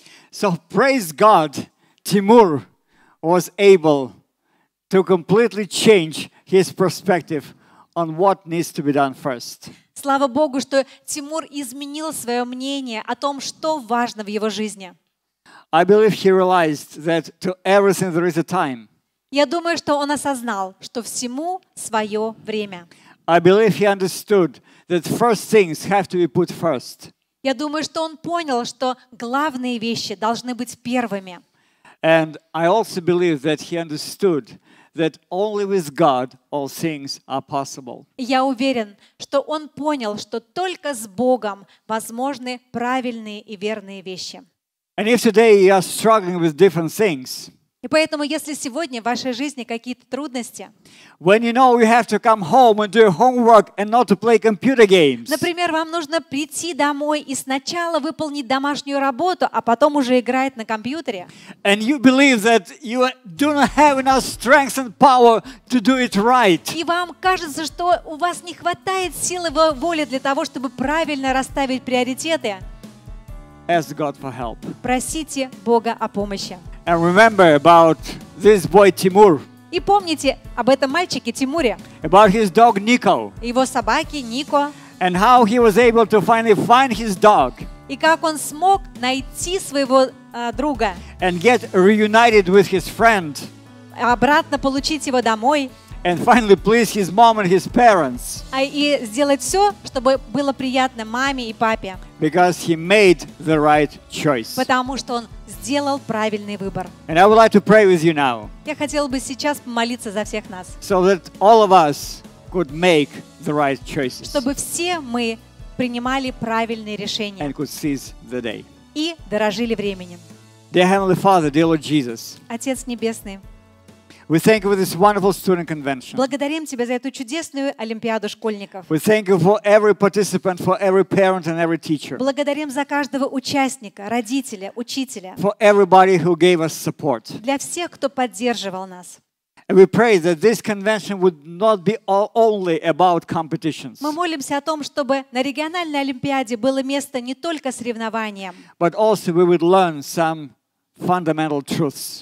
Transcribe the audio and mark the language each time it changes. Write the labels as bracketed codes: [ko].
[en] So praise God, Timur was able to completely change his perspective on what needs to be done first. [ru] Слава Богу, что Тимур изменил своё мнение о том, что важно в его жизни. [en] I believe he realized that to everything there is a time. [ru] Я думаю, что он осознал, что всему своё время. [en] I believe he understood that first things have to be put first. [ru] Я думаю, что он понял, что главные вещи должны быть первыми. [en] And I also believe that he understood that only with God all things are possible. [ru] Я уверен, что он понял, что только с Богом возможны правильные и верные вещи. [en] And if today you are struggling with different things, [ru] и поэтому, если сегодня в вашей жизни какие-то трудности, [en] when you know you have to come home and do your homework and not to play computer games, [ru] например, вам нужно прийти домой и сначала выполнить домашнюю работу, а потом уже играть на компьютере, [en] and you believe that you do not have enough strength and power to do it right, [ru] и вам кажется, что у вас не хватает силы воли для того, чтобы правильно расставить приоритеты, [en] ask God for help. [ru] Просите Бога о помощи. [en] And remember about this boy Timur. [ru] И помните об этом мальчике Тимуре. [en] About his dog Nico. [ru] Его собаке Нико. [en] And how he was able to finally find his dog. [ru] И как он смог найти своего друга. [en] And get reunited with his friend. [ru] Обратно получить его домой. [en] And finally, please his mom and his parents. [ru] И сделать все, чтобы было приятно маме и папе. [en] Because he made the right choice. [ru] Потому что он сделал правильный выбор. [en] And I would like to pray with you now. [ru] Я хотела бы сейчас молиться за всех нас. [en] So that all of us could make the right choices. [ru] Чтобы все мы принимали правильные решения. [en] And could seize the day. [ru] И дорожили временем. [en] Dear Heavenly Father, dear Lord Jesus. [ru] Отец небесный. [en] We thank you for this wonderful student convention. [ru] Благодарим тебя за эту чудесную олимпиаду школьников. [en] We thank you for every participant, for every parent and every teacher. [ru] Благодарим за каждого участника, родителя, учителя. [en] For everybody who gave us support. [ru] Для всех, кто поддерживал нас. [en] And we pray that this convention would not be only about competitions. [ru] Мы молимся о том, чтобы на региональной олимпиаде было место не только соревнованиям. [en] But also we would learn some fundamental truths.